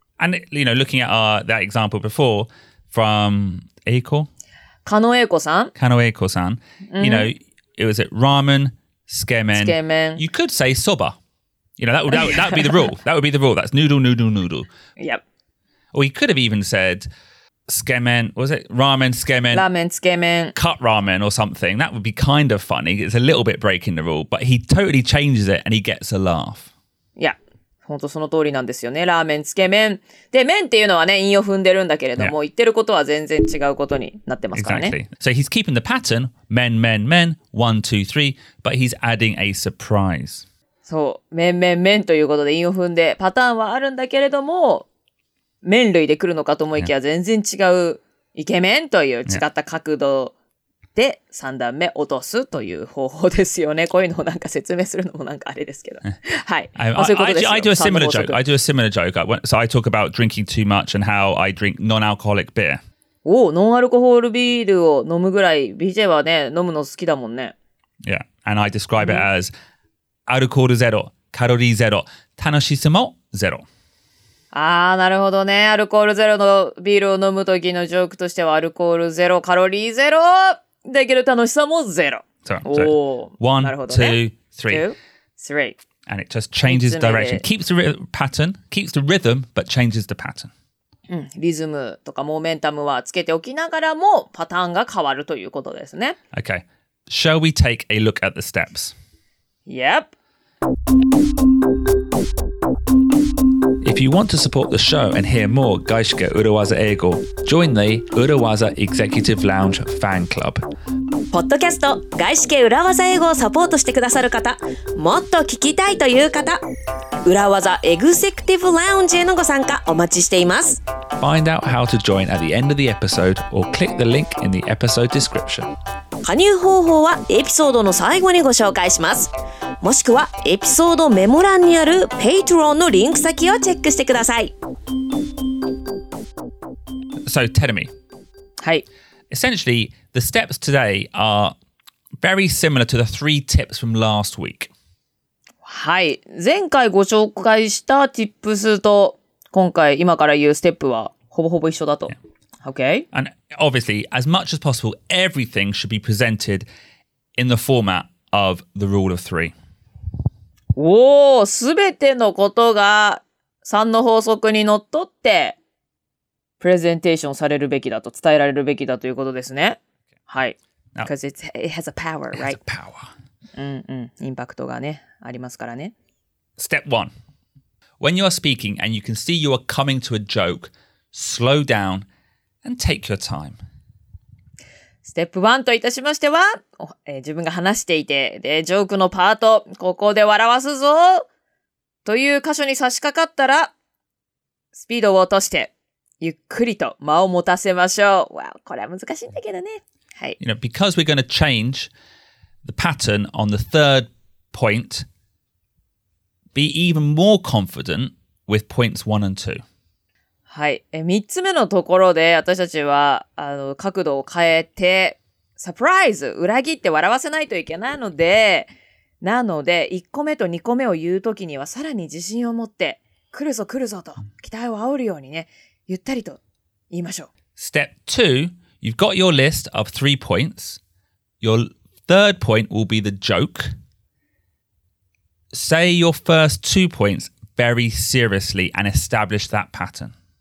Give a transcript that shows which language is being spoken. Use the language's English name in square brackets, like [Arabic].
[English] And, you know, looking at that example before, from Eiko? [Japanese] カノエイコさん。 [English] カノエイコさん。You know, it was at ramen, skemen. Skemen. You could say soba. You know, that would be the rule. That would be the rule. That's noodle, noodle, noodle. Yep. Or he could have even said, skemen, was it? Ramen, skemen. Ramen, skemen. Cut ramen or something. That would be kind of funny. It's a little bit breaking the rule. But he totally changes it and he gets a laugh. [Japanese] Yeah, 本当その通りなんですよね。ラーメン、つけ麺。で、麺っていうのはね、韻を踏んでるんだけれども、yeah. 言ってることは全然違うことになってますからね。 [English] Exactly. So he's keeping the pattern, men, men, men, one, two, three, but he's adding a surprise. [Japanese] そう、麺、麺、麺ということで韻を踏んで、パターンはあるんだけれども、麺類で来るのかと思いきや全然違うイケメンという違った角度で3段目落とすという方法ですよね。こういうのをなんか説明するのもなんかあれですけど。はい。そういうことですよ。 [English] I do a similar joke. I do a similar joke. So I talk about drinking too much and how I drink non-alcoholic beer. [Japanese] おお、ノンアルコールビールを飲むぐらい BJ はね、飲むの好きだもんね。 [English] Yeah. And I describe it as [Japanese] アルコールゼロ、カロリーゼロ、楽しさもゼロ。ああ、なるほどね。アルコールゼロのビールを飲むときのジョークとしては、アルコールゼロ、カロリーゼロ、だけど楽しさもゼロ。 So, おぉ、なるほどね。 1、2、3。 [English] And it just changes direction. Keeps the pattern, keeps the rhythm, but changes the pattern. [Japanese] うん、リズムとかモーメンタムはつけておきながらも、パターンが変わるということですね。 [English] Okay. Shall we take a look at the steps? Yep. If you want to support the show and hear more Gaishike Urawaza Eigo, join the Urawaza Executive Lounge Fan Club. [Japanese] ポッドキャスト Gaishike Urawaza Eigo をサポートしてくださる方、もっと聞きたいという方、Urawaza Executive Lounge へのご参加お待ちしています。 Find out how to join at the end of the episode or click the link in the episode description. 加入方法はエピソードの最後にご紹介します。もしくはエピソードメモ欄にある Patreon のリンク先をチェックしてください。 [English] So, tell me. [Japanese] はい。 [English] Essentially, the steps today are very similar to the three tips from last week. [Japanese] はい。前回ご紹介した tips と今回今から言うステップはほぼほぼ一緒だと。Yeah. Okay. [English] And obviously, as much as possible, everything should be presented in the format of the rule of three. [Japanese] おお、すべてのことが3の法則にのっとって、プレゼンテーションされるべきだと、伝えられるべきだということですね。 [English] はい。Because it has a power, right? It has a power. [Japanese] うんうん、インパクトがね、ありますからね。 [English] Step one. When you are speaking and you can see you are coming to a joke, slow down and take your time. [Japanese] Step one といたしましては、自分が話していて、で、ジョークのパート、ここで笑わすぞという箇所に差し掛かったら、スピードを落として、ゆっくりと間を持たせましょう。わあ、これは難しいんだけどね。はい。 [English] You know, because we're going to change the pattern on the third point, be even more confident with points one and two. [Japanese] はい。三つ目のところで、私たちは、角度を変えて、サプライズ、裏切って笑わせないといけないので、なので、1個目と2個目を言うときには、さらに自信を持って、来るぞ来るぞと、期待を煽るようにね、ゆったりと言いましょう。 [English] Step 2, you've got your list of three points. Your third point will be the joke. Say your first two points very seriously and establish that pattern.